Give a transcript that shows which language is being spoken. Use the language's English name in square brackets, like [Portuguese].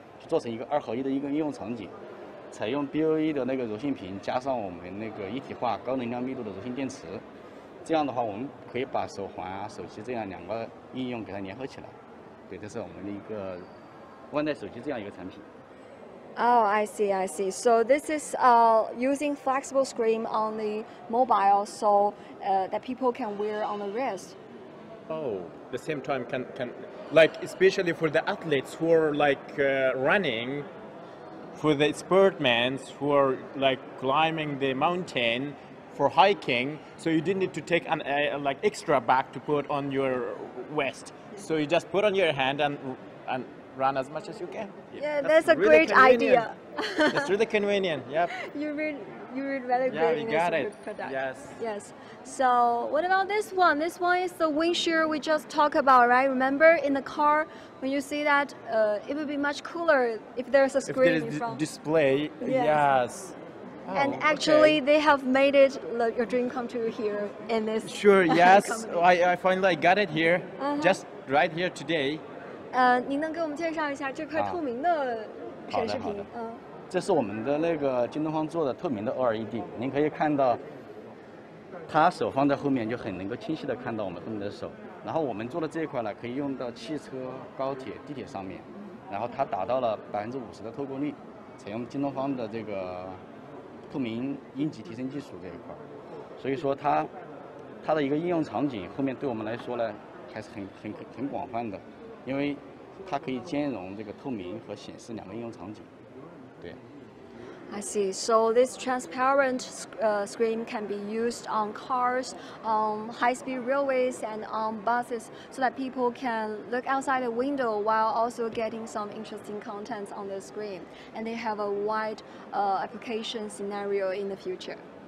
[Chinese] 做成一个二合一的一个应用场景，采用 BOE 的那个柔性屏加上我们那个一体化高能量密度的柔性电池，这样的话我们可以把手环啊手机这样两个应用给它联合起来。对，这是我们的一个腕带手机这样一个产品。 [English] Oh, I see, I see. So this is using flexible screen on the mobile so that people can wear on the wrist. Oh, the same time can like especially for the athletes who are like running, for the sportsmen who are like climbing the mountain, for hiking, so you didn't need to take an like extra bag to put on your waist. So you just put on your hand and run as much as you can. Yeah, that's a really great convenient idea. That's really convenient, yep. You read really great. Yeah, we got it. Yes. Yes. So what about this one? This one is the wind shear we just talked about, right? Remember in the car, when you see that, it would be much cooler if there's a screen there's in front. Display, yes. Oh, and actually, okay. They have made it your dream come true here in this. Sure, yes. I finally got it here, just right here today. [Chinese] 您能给我们介绍一下这块透明的显示屏？好的，这是我们的那个京东方做的透明的 OLED。您可以看到，它手放在后面就很能够清晰的看到我们后面的手。然后我们做的这一块呢，可以用到汽车、高铁、地铁上面。然后它达到了50%的透过率，采用京东方的这个透明阴极提升技术这一块，所以说它的一个应用场景后面对我们来说呢还是很广泛的，因为它可以兼容这个透明和显示两个应用场景。对， [English] I see. So this transparent screen can be used on cars, on high speed railways and on buses so that people can look outside the window while also getting some interesting contents on the screen, and they have a wide application scenario in the future.